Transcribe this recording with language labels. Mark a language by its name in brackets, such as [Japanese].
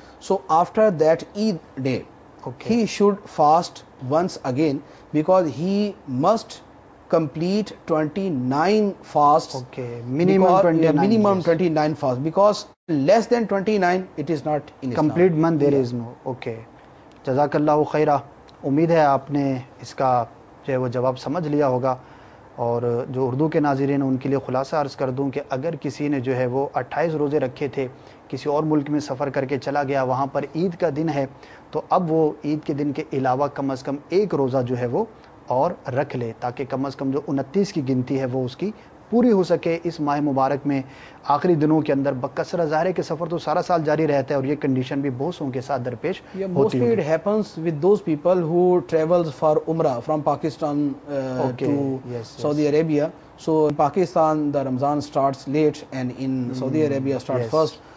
[English] So after that Eid day he should fast once again, because he must complete 29 fasts. Minimum 29 fasts, because less than 29 it is not in Islam. Complete month there is no. [Urdu] جزاک اللہ خیرہ۔ امید ہے آپ نے اس کا جو ہے وہ جواب سمجھ لیا ہوگا، اور جو اردو کے ناظرین ان کے لیے خلاصہ عرض کر دوں کہ اگر کسی نے جو ہے وہ 28 روزے رکھے تھے، کسی اور ملک میں سفر کر کے چلا گیا، وہاں پر عید کا دن ہے، تو اب وہ عید کے دن کے علاوہ کم از کم ایک روزہ جو ہے وہ اور رکھ لے، تاکہ کم از کم جو 29 کی گنتی ہے وہ اس کی پوری ہو سکے اس ماہ مبارک میں آخری دنوں کے اندر۔ بکثر ظاہرے کے سفر تو سارا سال جاری رہتا ہے، اور یہ کنڈیشن بھی بہت سوں کے ساتھ درپیش ہوتی ہے۔ [English] It happens with those people who travels for Umrah from Pakistan to Saudi Arabia. So in Pakistan the Ramzan starts late and in Saudi Arabia starts first.